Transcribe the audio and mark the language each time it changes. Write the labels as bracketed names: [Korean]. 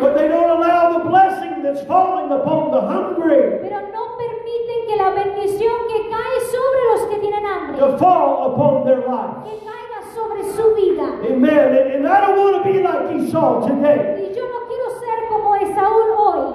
[English] But they don't allow the blessing that's falling upon the hungry. [Spanish] Pero no permiten que la bendición que cae sobre los que tienen hambre. [English] To fall upon their lives. [Spanish] Que caiga sobre su vida. [English] Amen. And I don't want to be like Esau today. [Spanish] Y yo no quiero ser como Esau hoy.